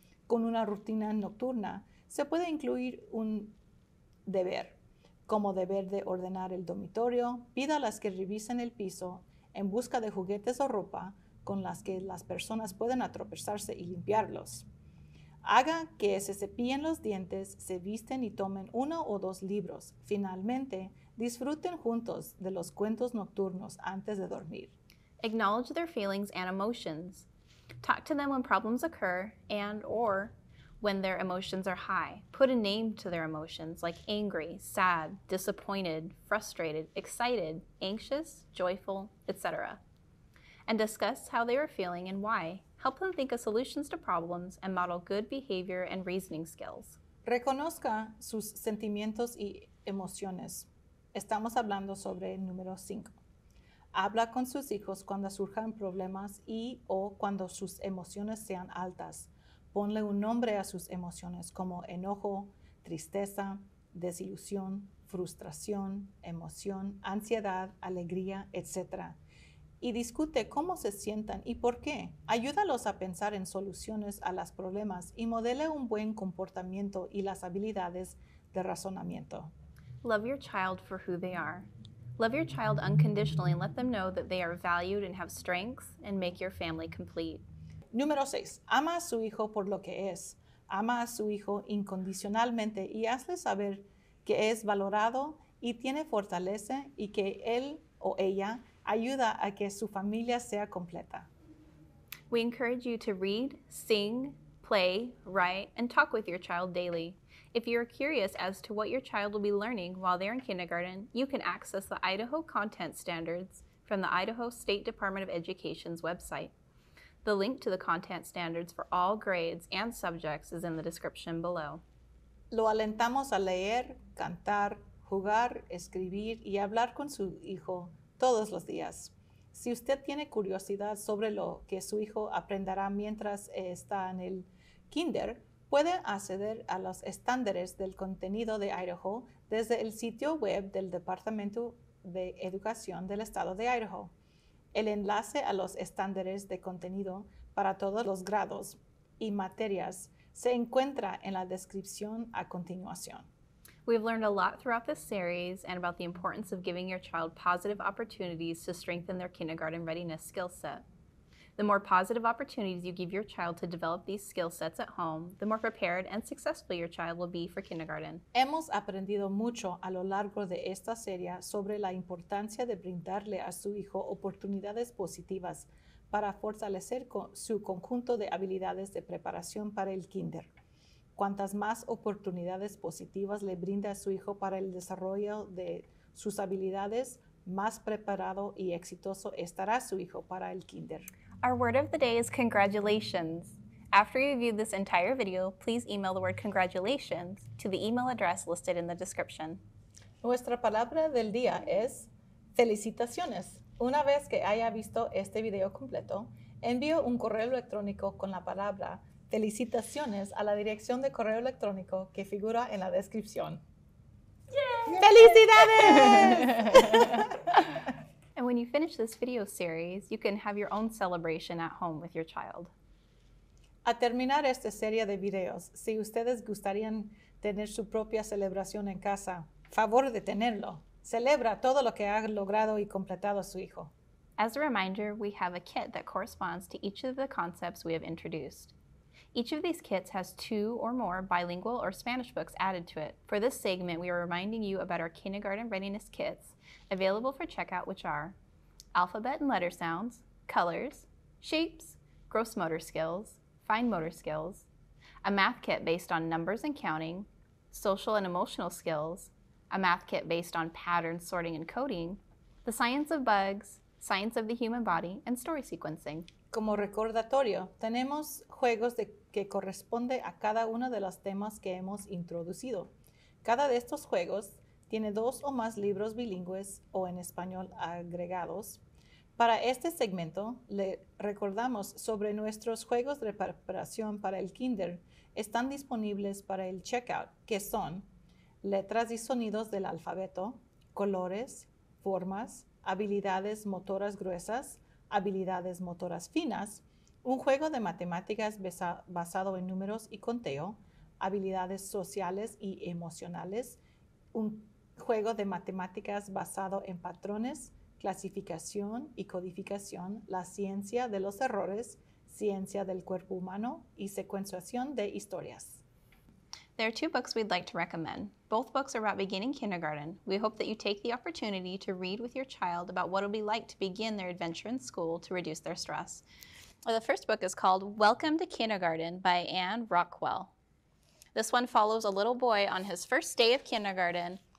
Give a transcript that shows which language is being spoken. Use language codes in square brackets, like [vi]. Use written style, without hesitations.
[es] Con una rutina nocturna se puede incluir un deber, como deber de ordenar el dormitorio, pídalas que revisen el piso, en busca de juguetes o ropa con las que las personas pueden atropellarse y limpiarlos. Haga que se cepillen los dientes, se visten y tomen uno o dos libros. Finalmente, disfruten juntos de los cuentos nocturnos antes de dormir. [en] Acknowledge their feelings and emotions. Talk to them when problems occur and or when their emotions are high. Put a name to their emotions like angry, sad, disappointed, frustrated, excited, anxious, joyful, etc. And discuss how they are feeling and why. Help them think of solutions to problems and model good behavior and reasoning skills. [es] Reconozca sus sentimientos y emociones. Estamos hablando sobre el número 5. Habla con sus hijos cuando surjan problemas y o cuando sus emociones sean altas. Ponle un nombre a sus emociones como enojo, tristeza, desilusión, frustración, emoción, ansiedad, alegría, etc. Y discute cómo se sientan y por qué. Ayúdalos a pensar en soluciones a los problemas y modele un buen comportamiento y las habilidades de razonamiento. [en] Love your child for who they are. Love your child unconditionally and let them know that they are valued and have strengths and make your family complete. [es] Número 6. Ama a su hijo por lo que es. Ama a su hijo incondicionalmente y hazle saber que es valorado y tiene fortaleza y que él o ella ayuda a que su familia sea completa. [en] We encourage you to read, sing, play, write, and talk with your child daily. If you are curious as to what your child will be learning while they're in kindergarten, you can access the Idaho Content Standards from the Idaho State Department of Education's website. The link to the content standards for all grades and subjects is in the description below. [es] Lo alentamos a leer, cantar, jugar, escribir y hablar con su hijo todos los días. Si usted tiene curiosidad sobre lo que su hijo aprenderá mientras está en el kinder, puede acceder a los estándares del contenido de Idaho desde el sitio web del Departamento de Educación del Estado de Idaho. El enlace a los estándares de contenido para todos los grados y materias se encuentra en la descripción a continuación. [en] We've learned a lot throughout this series and about the importance of giving your child positive opportunities to strengthen their kindergarten readiness skill set. The more positive opportunities you give your child to develop these skill sets at home, the more prepared and successful your child will be for kindergarten. [es] Hemos aprendido mucho a lo largo de esta serie sobre la importancia de brindarle a su hijo oportunidades positivas para fortalecer su conjunto de habilidades de preparación para el kinder. Cuantas más oportunidades positivas le brinde a su hijo para el desarrollo de sus habilidades, más preparado y exitoso estará su hijo para el kinder. [en] Our word of the day is congratulations. After you viewed this entire video, please email the word congratulations to the email address listed in the description. [es] Nuestra palabra del día es felicitaciones. Una vez que haya visto este video completo, envío un correo electrónico con la palabra felicitaciones a la dirección de correo electrónico que figura en la descripción. ¡Yay! ¡Felicidades! [en] And when you finish this video series, you can have your own celebration at home with your child. [es] A terminar esta serie de videos, si ustedes gustarían tener su propia celebración en casa, favor de tenerlo. Celebra todo lo que ha logrado y completado su hijo. [en] As a reminder, we have a kit that corresponds to each of the concepts we have introduced. Each of these kits has two or more bilingual or Spanish books added to it. For this segment, we are reminding you about our kindergarten readiness kits available for checkout, which are alphabet and letter sounds, colors, shapes, gross motor skills, fine motor skills, a math kit based on numbers and counting, social and emotional skills, a math kit based on pattern sorting and coding, the science of bugs, science of the human body, and story sequencing. [es] Como recordatorio, tenemos juegos que corresponde a cada uno de los temas que hemos introducido. Cada de estos juegos tiene dos o más libros bilingües o en español agregados. Para este segmento, le recordamos sobre nuestros juegos de preparación para el kinder. Están disponibles para el checkout, que son letras y sonidos del alfabeto, colores, formas, habilidades motoras gruesas, habilidades motoras finas, un juego de matemáticas basado en números y conteo, habilidades sociales y emocionales, un juego de matemáticas basado en patrones, clasificación y codificación, la ciencia de los errores, ciencia del cuerpo humano y secuenciación de historias. [en] There are two books we'd like to recommend. Both books are about beginning kindergarten. We hope that you take the opportunity to read with your child about what it'll be like to begin their adventure in school to reduce their stress. Well, the first book is called Welcome to Kindergarten by Anne Rockwell. This one follows a little boy on his first day of kindergarten.